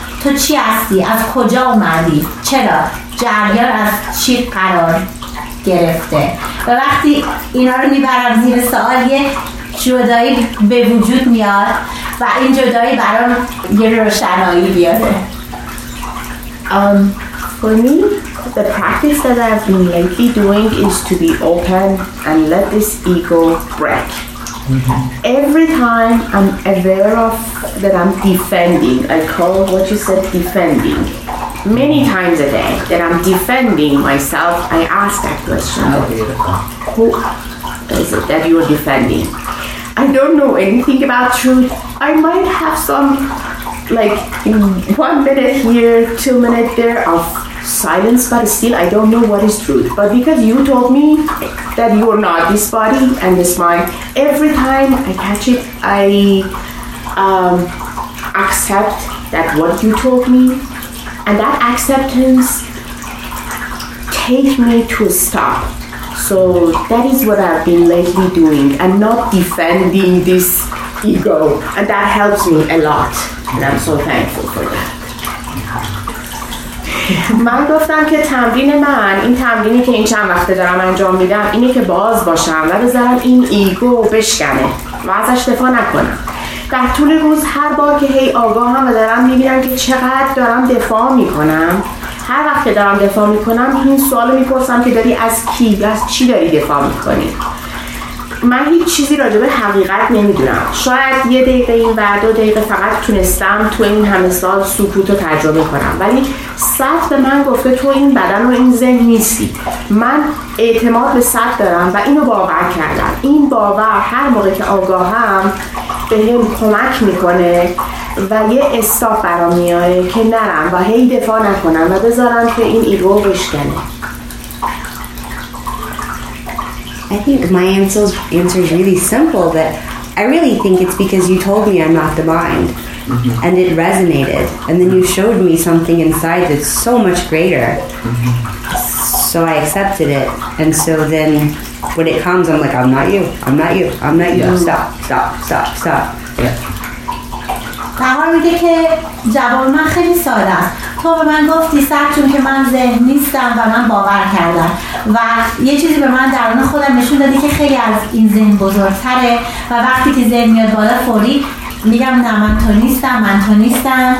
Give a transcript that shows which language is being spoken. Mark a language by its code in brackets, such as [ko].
[fa] تو چی هستی؟ از کجا اومدی؟ چرا؟ جریان از چی قرار گرفته؟ و وقتی اینا رو میبرم زیر سوال، یه جدایی به وجود میاد و این جدایی برام یه روشنایی بیاره. [en] For me, the practice that I've been lately doing is to be open and let this ego break. Every time I'm aware of that I'm defending, I call what you said defending. Many times a day that I'm defending myself, I ask that question. Who is it that you're defending? I don't know anything about truth. I might have some, like, in 1 minute here, 2 minutes there of silence, but still I don't know what is truth. But because you told me that you are not this body and this mind, every time I catch it, I accept that what you told me, and that acceptance takes me to a stop. So that is what I've been lately doing, and not defending this ego, and that helps me a lot. And I'm so thankful for that. [fa] من گفتم که تمرین من، این تمرینی که این چند وقته دارم انجام میدم، اینه که باز باشم و بذارم این ایگو بشکنه و ازش دفاع نکنم. در طول روز هر بار که هی آگاهم و دارم میبینم که چقدر دارم دفاع میکنم، هر وقت که دارم دفاع میکنم این سوالو میپرسم که داری از کی، از چی داری دفاع میکنی؟ من هیچ چیزی راجع به حقیقت نمیدونم. شاید یه دقیقه این و دو دقیقه فقط تونستم تو این همه سال سکوت رو تجربه کنم، ولی صد به من گفته تو این بدن و این ذهن نیستی. من اعتماد به صد دارم و اینو باور کردم. این باور هر موقع که آگاهم به هم کمک میکنه و یه استاپ برام میاره که نرم و هی دفاع نکنم و بذارم که این ایگو بشکنه. [en] I think my answer is really simple, but I really think it's because you told me I'm not the mind. Mm-hmm. And it resonated. And then you showed me something inside that's so much greater. Mm-hmm. So I accepted it. And so then when it comes, I'm like, I'm not you. I'm not you. I'm not you. Mm-hmm. Stop, stop, stop, stop. [fa] بها میگه که جواب من خیلی ساده است. تو به من گفتی سر چون که من ذهن نیستم و من باور کردم و یه چیزی به من درون خودم نشون دادی که خیلی از این ذهن بزرگتره و وقتی که ذهن میاد بالا فوری میگم نه من تو نیستم، من تو نیستم.